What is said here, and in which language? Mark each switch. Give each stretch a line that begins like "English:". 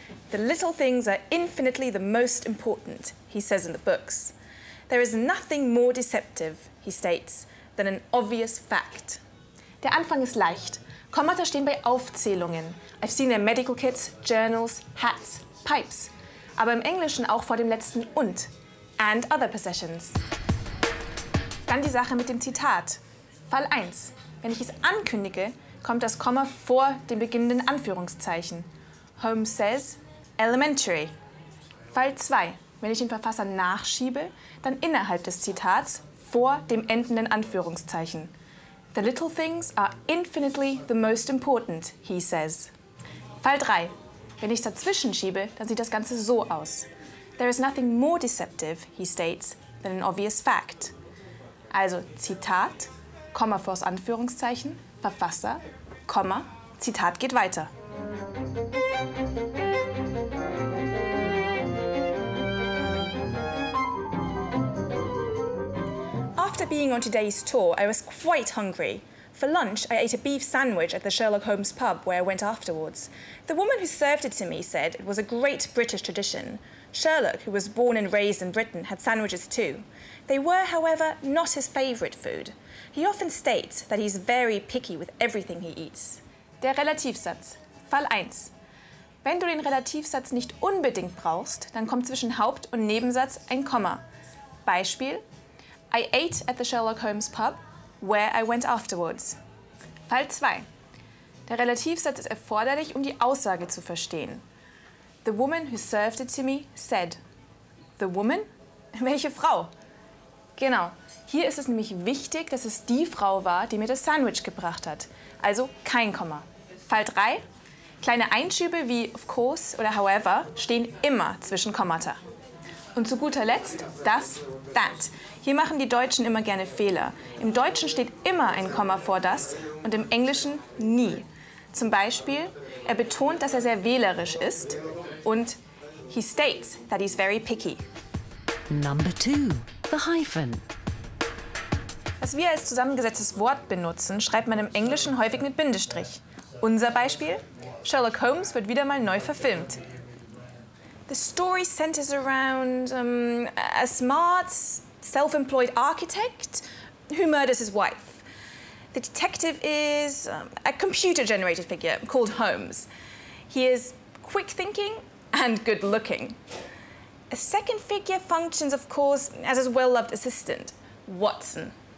English: "The little things are infinitely the most important," he says in the books. "There is nothing more deceptive," he states, "than an obvious fact."
German: Der Anfang ist leicht. Kommata stehen bei Aufzählungen.
English: I've seen their medical kits, journals, hats, pipes.
German: Aber im Englischen auch vor dem letzten und.
English: And other possessions.
German: Dann die Sache mit dem Zitat. Fall 1. Wenn ich es ankündige, kommt das Komma vor dem beginnenden Anführungszeichen.
English: Holmes says, elementary.
German: Fall 2. Wenn ich den Verfasser nachschiebe, dann innerhalb des Zitats vor dem endenden Anführungszeichen.
English: The little things are infinitely the most important, he says.
German: Fall 3. Wenn ich dazwischen schiebe, dann sieht das Ganze so aus.
English: There is nothing more deceptive, he states, than an obvious fact.
German: Also Zitat, Komma vors Anführungszeichen, Verfasser, Komma, Zitat geht weiter.
English: After being on today's tour, I was quite hungry. For lunch, I ate a beef sandwich at the Sherlock Holmes pub where I went afterwards. The woman who served it to me said it was a great British tradition. Sherlock, who was born and raised in Britain, had sandwiches too. They were, however, not his favorite food. He often states that he's very picky with everything he eats.
German: Der Relativsatz. Fall 1. Wenn du den Relativsatz nicht unbedingt brauchst, dann kommt zwischen Haupt- und Nebensatz ein Komma.
English: Beispiel: I ate at the Sherlock Holmes pub, where I went afterwards.
German: Fall 2. Der Relativsatz ist erforderlich, um die Aussage zu verstehen.
English: The woman who served it to me said. The woman?
German: Welche Frau? Genau. Hier ist es nämlich wichtig, dass es die Frau war, die mir das Sandwich gebracht hat. Also kein Komma. Fall 3. Kleine Einschübe wie of course oder however stehen immer zwischen Kommata. Und zu guter Letzt das that. Hier machen die Deutschen immer gerne Fehler. Im Deutschen steht immer ein Komma vor das und im Englischen nie. Zum Beispiel, er betont, dass er sehr wählerisch ist und
English: he states that he's very picky. Number two, the hyphen.
German: Was wir als zusammengesetztes Wort benutzen, schreibt man im Englischen häufig mit Bindestrich. Unser Beispiel, Sherlock Holmes wird wieder mal neu verfilmt.
English: The story centers around a smart, self-employed architect who murders his wife. The detective is a computer-generated figure called Holmes. He is quick-thinking and good-looking. A second figure functions, of course, as his well-loved assistant, Watson.